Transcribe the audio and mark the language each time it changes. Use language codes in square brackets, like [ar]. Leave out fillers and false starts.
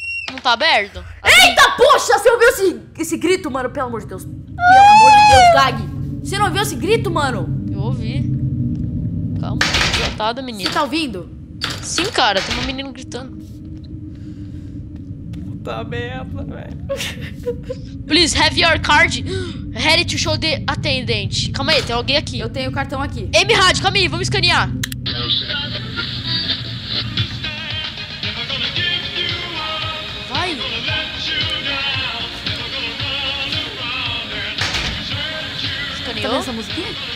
[pt] Não tá aberto? Eita, poxa, você ouviu esse grito, mano? Pelo amor de Deus. Pelo amor de Deus, Gag. Você não ouviu esse grito, mano? Eu ouvi. Calma, adiantada, menina. Você tá ouvindo? Sim, cara, tem um menino gritando. Puta merda, velho. [en] Please, have your card ready to show the attendant. [pt] Calma aí, tem alguém aqui. Eu tenho o cartão aqui. M Rádio, calma aí, vamos escanear. Vai. Escaneou? Tá vendo essa musiquinha?